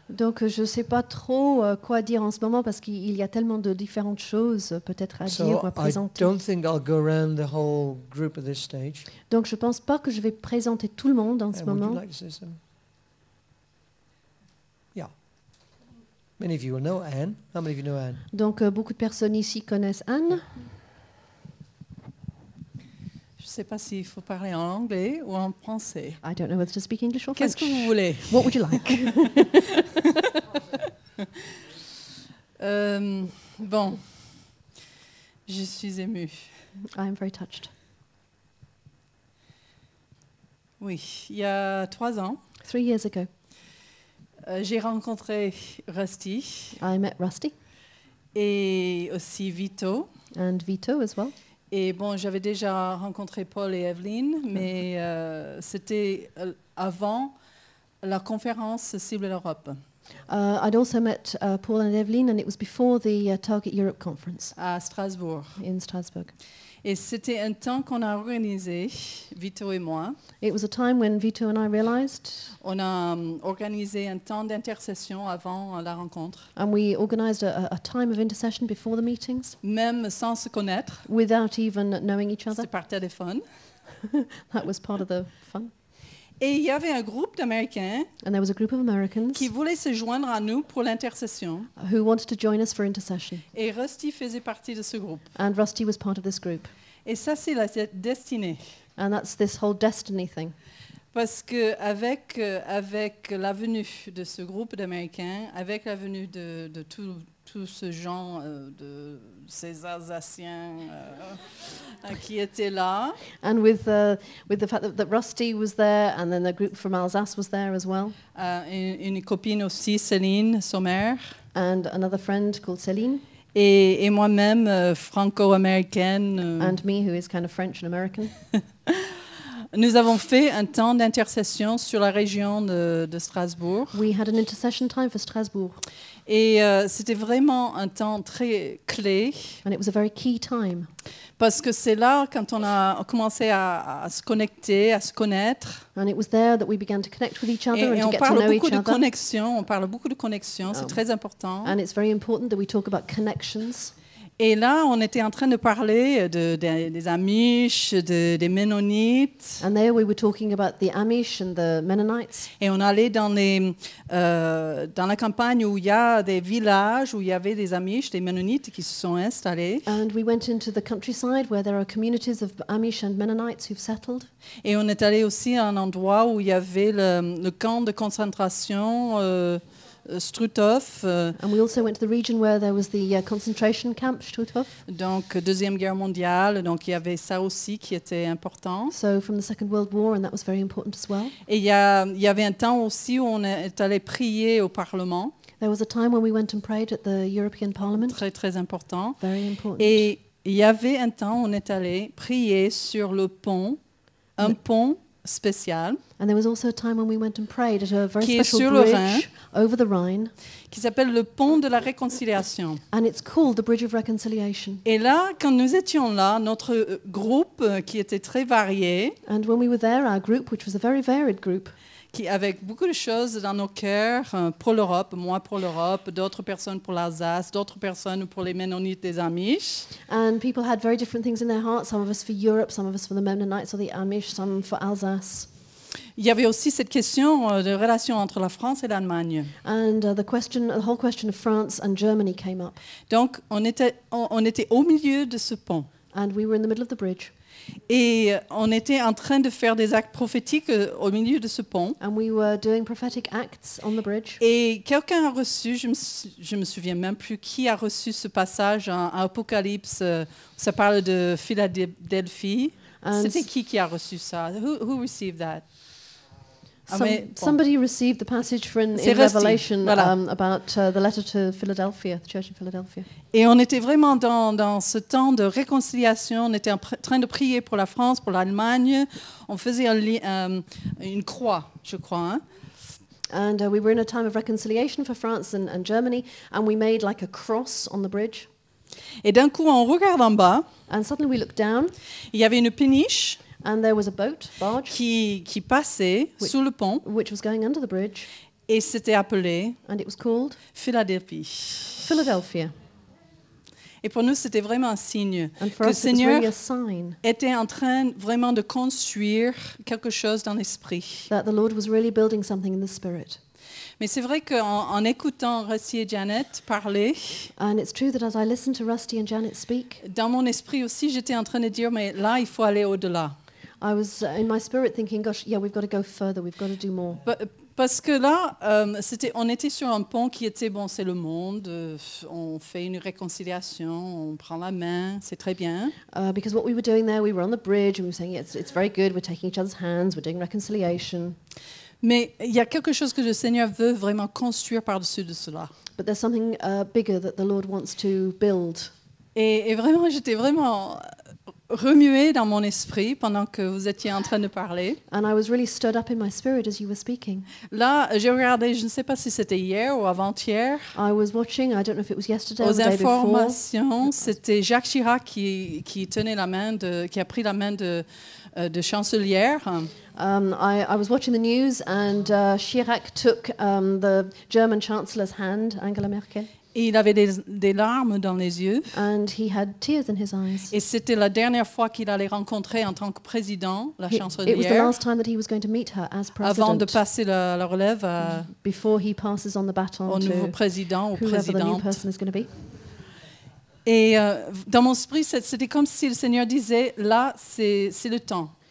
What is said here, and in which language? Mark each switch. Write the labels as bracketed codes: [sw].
[fr] Donc je sais pas trop quoi dire en ce moment parce qu'il y a tellement de différentes choses peut-être à dire ou à présenter. [en] So I don't think I'll go around the whole group at this stage. [fr] Donc je pense pas que je vais présenter tout le monde en ce moment. [en] Would you like to say something? Yeah. Many of you will know Anne. How many of you know Anne? [fr] Donc beaucoup de personnes ici connaissent Anne. Je ne sais pas s'il faut parler en anglais ou en français. [en] I don't know whether to speak English or [fr] Qu'est-ce [en] French. [fr] Qu'est-ce que vous voulez? [en] What would you like? [fr] bon, je suis émue. [en] I am very touched. [fr] Oui, il y a 3 ans. [en] 3 years ago. [fr] J'ai rencontré Rusty. [en] I met Rusty. [fr] Et aussi Vito. [en] And Vito as well. [fr] Et bon, j'avais déjà rencontré Paul et Evelyn, mais c'était avant la conférence Cible l'Europe. [en] I'd also met Paul and Evelyn, and it was before the Target Europe conference. [fr] À Strasbourg. [en] In Strasbourg. [fr] Et c'était un temps qu'on a organisé, Vito et moi. [en] It was a time when Vito and I realized. [fr] On a organisé un temps d'intercession avant la rencontre. [en] And we organized a time of intercession before the meetings. [fr] Même sans se connaître. [en] Without even knowing each other. [fr] C'était par téléphone. [en] That was part of the fun. [fr] Et il y avait un groupe d'Américains. [en] And there was a group of Americans. [fr] Qui voulaient se joindre à nous pour l'intercession. [en] Who wanted to join us for intercession. [fr] Et Rusty faisait partie de ce groupe. [en] And Rusty was part of this group. [fr] Et ça c'est la destinée. [en] And that's this whole destiny thing. [fr] Parce que avec la venue de ce groupe d'Américains, avec la venue de tout ce genre de ces Alsaciens qui étaient là. [en] And with the fact that Rusty was there, and then the group from Alsace was there as well. [fr] Une copine aussi, Céline Sommer. [en] And another friend called Céline. [fr] Et moi-même, franco-américaine. [en] And me, who is kind of French and American. [fr] Nous avons fait un temps d'intercession sur la région de Strasbourg. [en] We had an intercession time for Strasbourg. [fr] Et c'était vraiment un temps très clé. [en] And it was a very key time. [fr] Parce que c'est là quand on a commencé à se connecter, à se connaître. [en] And it was there that we began to connect with each other et and to get to know each other. [fr] Et on parle beaucoup de connexions. On parle beaucoup de connexions. C'est très important. [en] And it's very important that we talk about connections. [fr] Et là, on était en train de parler des Amish, des Mennonites. [en] And there we were talking about the Amish and the Mennonites. [fr] Et on allait dans la campagne où il y a des villages où il y avait des Amish, des Mennonites qui se sont installés. [en] And we went into the countryside where there are communities of Amish and Mennonites who've settled. [fr] Et on est allé aussi à un endroit où il y avait le camp de concentration. Struthof. [en] And we also went to the region where there was the concentration camp, Struthof. [fr] Donc, Deuxième Guerre mondiale, donc il y avait ça aussi qui était important. [en] So, from the Second World War, and that was very important as well. [fr] Et il y avait un temps aussi où on est allé prier au Parlement. [en] There was a time when we went and prayed at the European Parliament. [fr] Très, très important. [en] Very important. [fr] Et il y avait un temps où on est allé prier sur le pont, un pont spéciale. [en] And there was also a time when we went and prayed at a very special bridge [fr] Rhin, [en] over the Rhine, [fr] qui s'appelle le pont de la réconciliation. [en] And it's called the Bridge of Reconciliation. [fr] Et là, quand nous étions là, notre groupe qui était très varié, [en] and when we were there, our group, which was a very varied group, [fr] qui avec beaucoup de choses dans nos cœurs pour l'Europe, moi pour l'Europe, d'autres personnes pour l'Alsace, d'autres personnes pour les Mennonites, des Amish. [en] And people had very different things in their hearts. Some of us for Europe, some of us for the Mennonites or the Amish, some for Alsace. [fr] Il y avait aussi cette question de relation entre la France et l'Allemagne. [en] And the whole question of France and Germany came up. [fr] Donc on était au milieu de ce pont. [en] And we were in the middle of the bridge. [fr] Et on était en train de faire des actes prophétiques au milieu de ce pont. [en] And we were doing prophetic acts on the bridge. [fr] Et quelqu'un a reçu, je me souviens même plus qui a reçu ce passage en Apocalypse, ça parle de Philadelphie. And c'était qui a reçu ça? [en] Who received that? Somebody received the passage in Revelation, [fr] voilà. [en] About the letter to Philadelphia, the church in Philadelphia. [fr] Et on était vraiment dans ce temps de réconciliation. On était en train de prier pour la France, pour l'Allemagne. On faisait une croix, je crois. Hein? [en] And we were in a time of reconciliation for France and Germany, and we made like a cross on the bridge. [fr] Et d'un coup, on regarde en bas. [en] And suddenly we looked down. [fr] Il y avait une péniche. [en] And there was a boat, barge, [fr] qui passait sous le pont, [en] which was going under the bridge, [fr] et c'était appelé, [en] and it was called [fr] Philadelphie. [en] Philadelphia. [fr] Et pour nous, c'était vraiment un signe que le Seigneur [en] really [fr] était en train vraiment de construire quelque chose dans l'esprit. [en] That the Lord was really building something in the spirit. [fr] Mais c'est vrai qu'en écoutant Rusty et Janet parler, [en] and it's true that as I listened to Rusty and Janet speak, [fr] dans mon esprit aussi, j'étais en train de dire, mais là, il faut aller au-delà. [en] I was in my spirit thinking, gosh, yeah, we've got to go further, we've got to do more. [fr] Parce que là, on était sur un pont qui était, bon, c'est le monde, on fait une réconciliation, on prend la main, c'est très bien. [en] Because what we were doing there, we were on the bridge, and we were saying, yeah, it's very good, we're taking each other's hands, we're doing reconciliation. [fr] Mais il y a quelque chose que le Seigneur veut vraiment construire par-dessus de cela. [en] But there's something bigger that the Lord wants to build. [fr] Et vraiment, j'étais vraiment remuée dans mon esprit pendant que vous étiez en train de parler. [en] And I was really stirred up in my spirit as you were speaking. [fr] Là, j'ai regardé, je ne sais pas si c'était hier ou avant-hier. [en] I was watching, I don't know if it was yesterday or the day before. [fr] Aux informations, c'était Jacques Chirac qui tenait la main qui a pris la main de chancelière. [en] I was watching the news and Chirac took the German Chancellor's hand, Angela Merkel. [fr] Et il avait des larmes dans les yeux. [en] And he had tears in his eyes. [fr] Et c'était la dernière fois qu'il allait rencontrer en tant que président la chancelière. [en] It was the last time that he was going to meet her as president. [fr] Avant de passer la relève. [en] Before he passes on the baton [fr] au nouveau président ou présidente. [en] Whoever the new person is going to be. [fr] Et dans mon esprit, c'était comme si le Seigneur disait, là, c'est le temps.